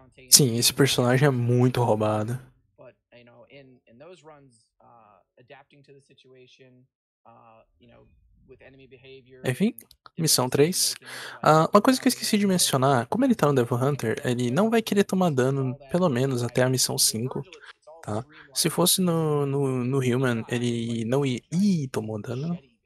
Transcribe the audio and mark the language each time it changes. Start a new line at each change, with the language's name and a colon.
Portuguese: Sim, esse personagem é muito roubado. Mas, em
English: those runs, adapting to the situation, you know,
Portuguese: Enfim, missão 3. Uma coisa que eu esqueci de mencionar, como ele tá no Devil Hunter, ele não vai querer tomar dano, pelo menos até a missão 5, tá? Se fosse no Human, ele não ia... Ih, tomou dano.